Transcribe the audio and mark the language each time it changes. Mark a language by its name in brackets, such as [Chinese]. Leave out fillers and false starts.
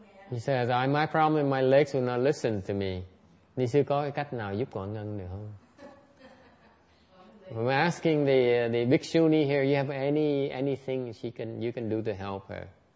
[English] He says, my problem, my legs will not listen to me. [Vietnamese] Ni sư có cái cách nào giúp quả ngân được không? [English] I'm asking the big shuni here, you have anything you can do to help her?